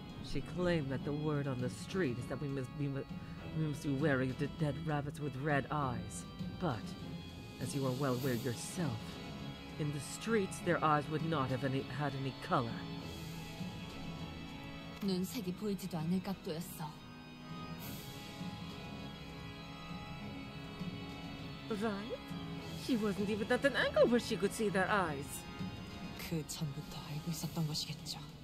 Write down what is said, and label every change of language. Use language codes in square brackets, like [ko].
[en] She claimed that the word on the street is that we must be wary of the dead rabbits with red eyes. But, as you are well aware yourself, in the streets their eyes would not have had any color. [ko] 눈색이 보이지도 않을 각도였어. [en] Right? She wasn't even at an angle where she could see their eyes. [ko] 그 전부터 알고 있었던 것이겠죠.